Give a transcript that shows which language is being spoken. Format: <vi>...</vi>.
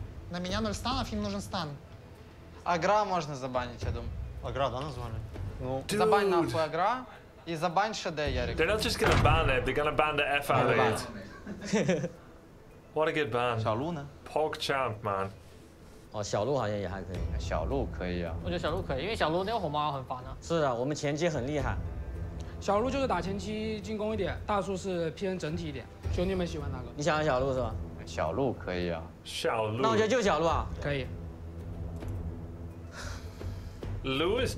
<ru>На меня нужен стан, им нужен стан. Агра можно забанить, я думаю. Агра, да, назвали. Ну, забань нахуй агра и забань ШД, Ярик.</ru> <en>They're not just gonna ban it, they're gonna ban the F out of it. What a good ban.</en> <zh>小鹿呢</zh> <en>？Pog champ, man.</en> <zh>哦，小鹿好像也还可以。小鹿可以啊。我觉得小鹿可以，因为小鹿那个火猫很烦啊。是啊，我们前期很厉害。小鹿就是打前期进攻一点，大树是偏整体一点。兄弟们喜欢哪个？你想要小鹿是吧？小鹿可以啊。小鹿。那我觉得就小鹿啊。可以。Louis</zh>